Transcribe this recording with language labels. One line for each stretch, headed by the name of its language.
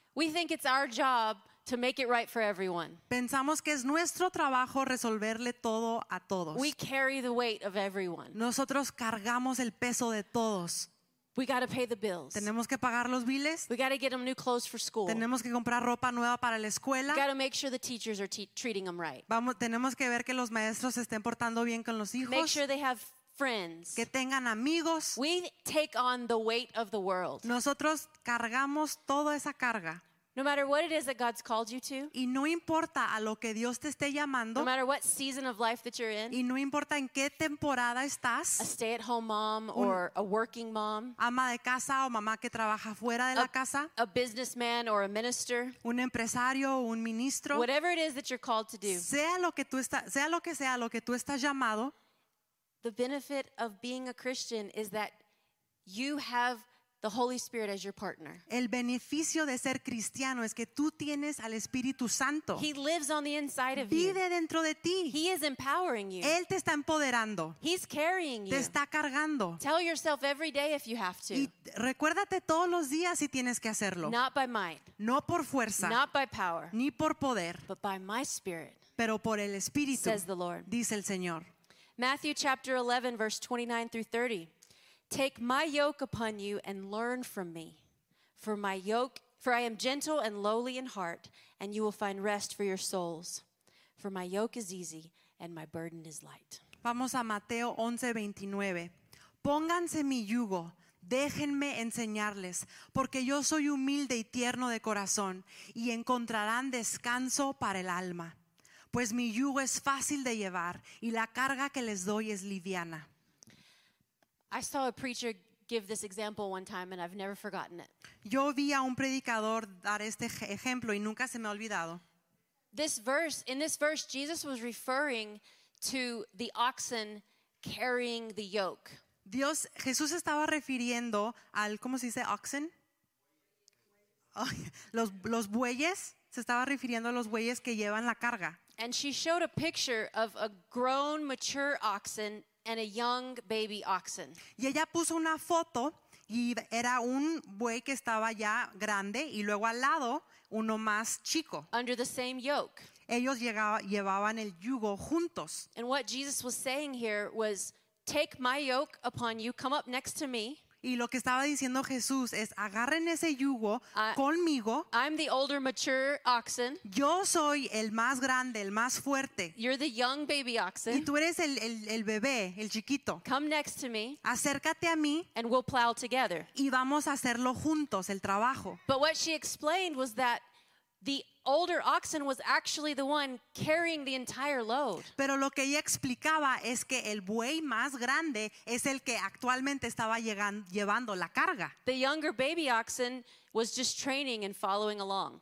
English: we think it's our job to make it right for everyone.
Spanish: Pensamos que es nuestro trabajo resolverle todo a todos.
English: We carry the weight of everyone.
Spanish: Nosotros cargamos el peso de todos.
English: We got to pay the bills.
Spanish: Tenemos que pagar los biles.
English: We got to get them new clothes for school.
Spanish: Tenemos que comprar ropa nueva para la escuela.
English: We got to make sure the teachers are treating them right.
Spanish: Vamos, tenemos que ver que los maestros se estén portando bien con los hijos.
English: Make sure they have friends.
Spanish: Que tengan amigos.
English: We take on the weight of the world.
Spanish: Nosotros cargamos toda esa carga.
English: No matter what it is that God's called you to.
Spanish: Y no importa a lo que Dios te esté llamando.
English: No matter what season of life that you're in.
Spanish: Y no importa en qué temporada estás.
English: A stay-at-home mom or a working mom.
Spanish: Ama de casa o mamá que trabaja fuera de la casa.
English: A businessman or a minister.
Spanish: Un empresario o un ministro.
English: Whatever it is that you're called to do.
Spanish: Sea lo que estás llamado.
English: The benefit of being a Christian is that you have the Holy Spirit as your partner.
Spanish: El beneficio de ser cristiano es que tú tienes al Espíritu Santo.
English: He lives on the inside of
Spanish: vive Vive dentro de ti.
English: He is empowering you.
Spanish: Él te está empoderando.
English: He's carrying you.
Spanish: Te está cargando.
English: Tell yourself every day if you have to.
Spanish: Y recuérdate todos los días si tienes que hacerlo.
English: Not by might.
Spanish: No por fuerza.
English: Not by power.
Spanish: Ni por poder.
English: But by my spirit.
Spanish: Pero por el Espíritu.
English: Says the Lord.
Spanish: Dice el Señor.
English: Matthew chapter 11 verse 29 through 30. Take my yoke upon you and learn from me, for I am gentle and lowly in heart, and you will find rest for your souls. For my yoke is easy and my burden is light.
Spanish: Vamos a Mateo 11:29. Pónganse mi yugo, déjenme enseñarles, porque yo soy humilde y tierno de corazón, y encontrarán descanso para el alma. Pues mi yugo es fácil de llevar, y la carga que les doy es liviana.
English: I saw a preacher give this example one time and I've never forgotten it.
Spanish: Yo vi a un predicador dar este ejemplo y nunca se me ha olvidado.
English: In this verse, Jesus was referring to the oxen carrying the yoke.
Spanish: Dios, Jesús estaba refiriendo al, ¿cómo se dice oxen? Oh, los bueyes, se estaba refiriendo a los bueyes que llevan la carga.
English: And she showed a picture of a grown, mature oxen and a young baby oxen.
Spanish: Y ella puso una foto y era un buey que estaba ya grande y luego al lado uno más chico.
English: Under the same yoke.
Spanish: Ellos llevaban el yugo juntos.
English: And what Jesus was saying here was, take my yoke upon you, come up next to me.
Spanish: Y lo que estaba diciendo Jesús es, agarren ese yugo conmigo.
English: I'm the older, mature oxen.
Spanish: Yo soy el más grande, el más fuerte.
English: You're the young baby oxen.
Spanish: Y tú eres el bebé, el chiquito.
English: Come next to me.
Spanish: Acércate a mí.
English: And we'll plow together.
Spanish: Y vamos a hacerlo juntos, el trabajo.
English: But what she explained was that The older oxen was actually the one carrying the entire load.
Spanish: Pero lo que ella explicaba es que el buey más grande es el que actualmente estaba llevando la carga.
English: The younger baby oxen was just training and following along.